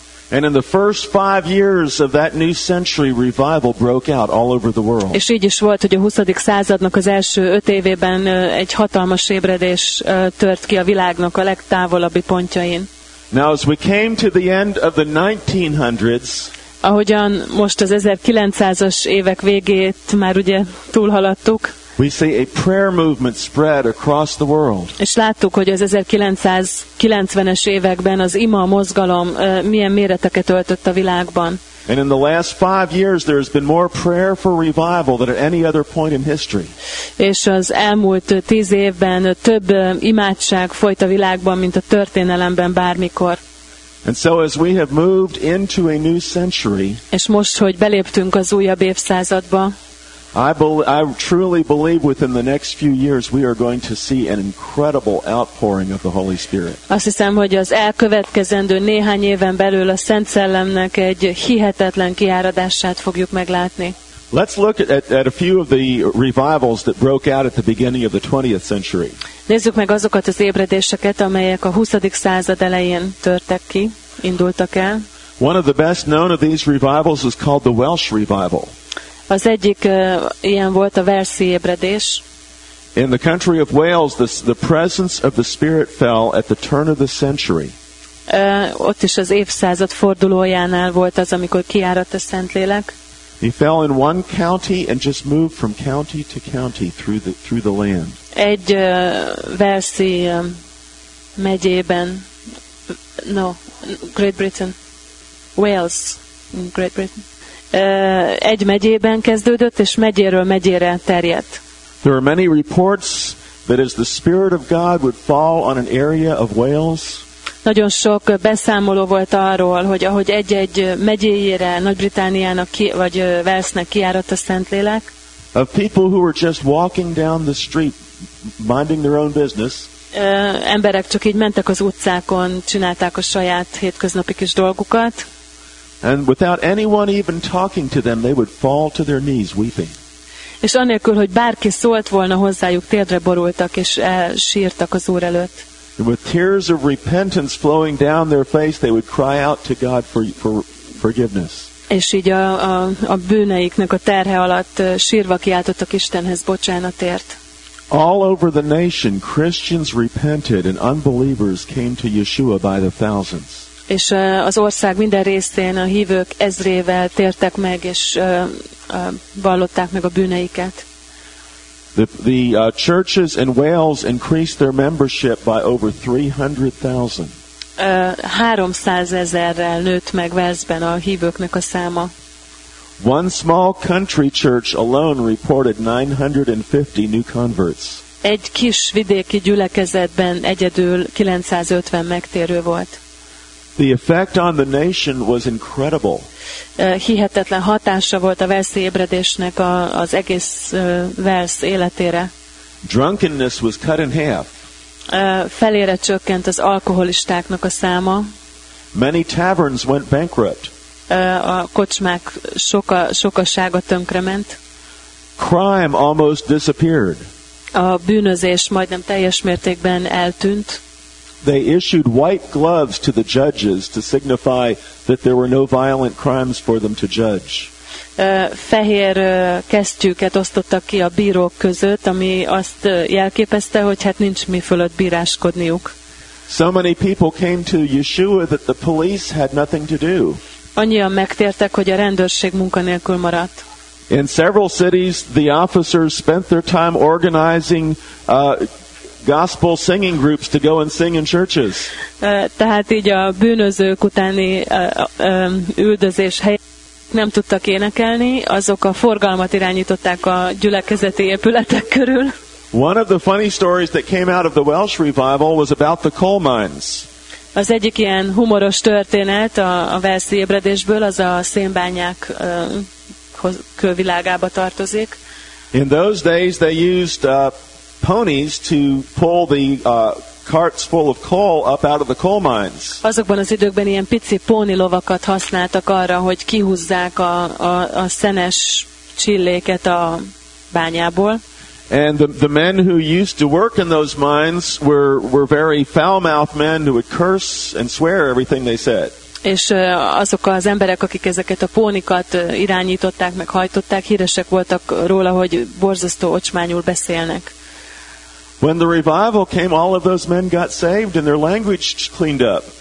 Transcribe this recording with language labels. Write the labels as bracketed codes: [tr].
[en] And in the first 5 years of that new century, revival broke out all over the world. [hu] És így is volt, hogy a 20. századnak az első 5 évében egy hatalmas ébredés tört ki a világnak a legtávolabbi pontjain. [en] Now as we came to the end of the 1900s, [hu] ahogyan most az 1900-as évek végét már ugye túlhaladtuk. [en] We see a prayer movement spread across the world. [hu] És láttuk, hogy az 1990-es években az ima mozgalom milyen méreteket öltött a világban. [en] And in the last 5 years there has been more prayer for revival than at any other point in history. [hu] És az elmúlt 10 évben több imádság folyt a világban, mint a történelemben bármikor. [en] And so as we have moved into a new century, [hu] és most, hogy beléptünk az újabb évszázadba, [en] I truly believe within the next few years we are going to see an incredible outpouring of the Holy Spirit. [hu] Azt hiszem, hogy az elkövetkezendő néhány éven belül a Szent Szellemnek egy hihetetlen kiáradását fogjuk meglátni. [en] Let's look at a few of the revivals that broke out at the beginning of the 20th century. [hu] Nézzük meg azokat az ébredéseket, amelyek a 20. század elején törtek ki, indultak el. [en] One of the best known of these revivals is called the Welsh Revival. [hu] Az egyik ilyen volt a Walesi ébredés. [en] In the country of Wales, the presence of the Spirit fell at the turn of the century. [hu] Ott is az évszázad fordulójánál volt az, amikor kiáradt a Szentlélek. [en] He fell in one county and just moved from county to county through the land. [hu] Egy Walesi megyében, [en] no, Great Britain, Wales, Great Britain. [hu] Egy megyében kezdődött, és megyéről megyére terjedt. [en] There are many reports that as the Spirit of God would fall on an area of Wales. [hu] Nagyon sok beszámoló volt arról, hogy ahogy egy-egy megyéjére, Nagy-Britániának vagy Walesnek kiáradt a Szentlélek. [en] Of people who were just walking down the street, minding their own business. [hu] Emberek csak így mentek az utcákon, csinálták a saját hétköznapi kis dolgukat. [en] And without anyone even talking to them, they would fall to their knees weeping. [hu] És anélkül, hogy bárki szólt volna hozzájuk, térdre borultak és sírtak az Úr előtt. [en] And with tears of repentance flowing down their face, they would cry out to God for forgiveness. [hu] És így a bűneiknek a terhe alatt sírva kiáltottak Istenhez bocsánatért. [en] All over the nation, Christians repented and unbelievers came to Yeshua by the thousands. [hu] és az ország minden részén a hívők ezrével tértek meg, és vallották meg a bűneiket. [en] The churches in Wales increased their membership by over 300,000. [hu] 300,000-rel nőtt meg Walesben a hívőknek a száma. [en] One small country church alone reported 950 new converts. [hu] Egy kis vidéki gyülekezetben egyedül 950 megtérő volt. [en] The effect on the nation was incredible. [hu] Hihetetlen hatása volt a Walesi ébredésnek az egész Wales életére. [en] Drunkenness was cut in half. [hu] Felére csökkent az alkoholistáknak a száma. [en] Many taverns went bankrupt. [hu] A kocsmák sokasága tönkrement. [en] Crime almost disappeared. [hu] A bűnözés majdnem teljes mértékben eltűnt. [en] They issued white gloves to the judges to signify that there were no violent crimes for them to judge. [hu] Fehér kesztyűket osztottak ki a bírók között, ami azt jelképezte, hogy hát nincs mi fölött bíráskodniuk. [en] So many people came to Yeshua that the police had nothing to do. [hu] Annyian megtértek, hogy a rendőrség munkanélkül maradt. [en] In several cities, the officers spent their time organizing gospel singing groups to go and sing in churches. [hu] Tehát így a bűnözők utáni üldözés helyett nem tudtak énekelni, azok a forgalmat irányították a gyülekezeti épületek körül. [en] One of the funny stories that came out of the Welsh revival was about the coal mines. [hu] Az egyik ilyen humoros történet a Walesi ébredésből az a szénbányák külvilágába tartozik. [en] In those days they used ponies to pull the carts full of coal up out of the coal mines. [hu] Azokban az időkben ilyen pici póni lovakat használtak arra, hogy kihúzzák a szenes csilléket a bányából. [en] And the men who used to work in those mines were very foul-mouthed men who would curse and swear everything they said. [hu] És azok az emberek, akik ezeket a pónikat irányították, meg hajtották, híresek voltak róla, hogy borzasztó ocsmányul beszélnek. [en] When the revival came, all of those men got saved and their language cleaned up.